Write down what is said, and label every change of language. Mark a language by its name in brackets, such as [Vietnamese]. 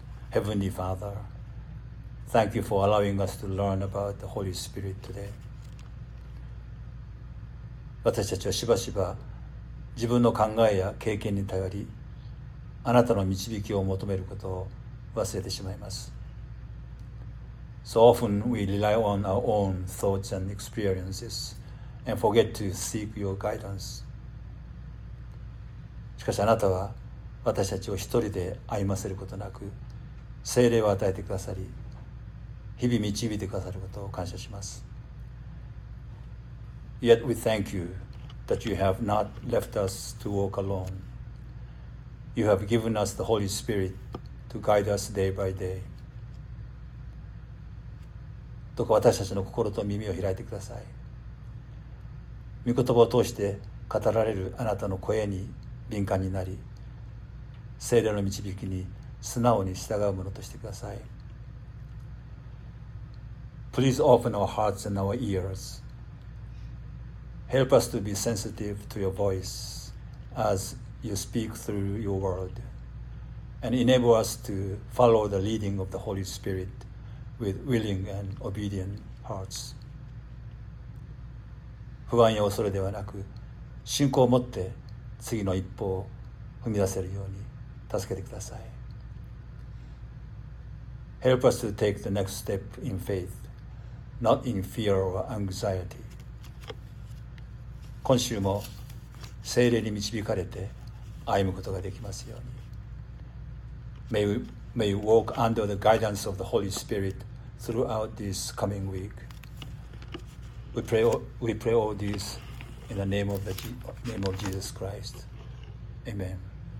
[English] Heavenly Father, thank you for allowing us to learn about the Holy Spirit today。 [Japanese] 私たちはしばしば自分の考えや経験に頼り、あなたの導きを求めることを忘れてしまいます。 [English] So often we rely on our own thoughts and experiences and forget to seek your guidance。 [Japanese] しかしあなたは私たちを一人で歩ませることなく、聖霊を与えてくださり、日々導いてくださることを感謝します。 [English] Yet we thank youThat you have not left us to walk alone. You have given us the Holy Spirit to guide us day by day. [Japanese] どうか私たちの心と耳を開いてください。御言葉を通して語られるあなたの声に敏感になり、聖霊の導きに素直に従うものとしてください。 [English] Please open our hearts and our ears. Help us to be sensitive to your voice as you speak through your word, and enable us to follow the leading of the Holy Spirit with willing and obedient hearts. [Japanese] 不安や恐れではなく、信仰を持って次の一歩を踏み出せるように助けてください。 [English] Help us to take the next step in faith, not in fear or anxiety. [Japanese] 今週も聖霊に導かれて歩むことができますように。 [English] May you walk under the guidance of the Holy Spirit throughout this coming week. We pray all this in the name of Jesus Christ. Amen.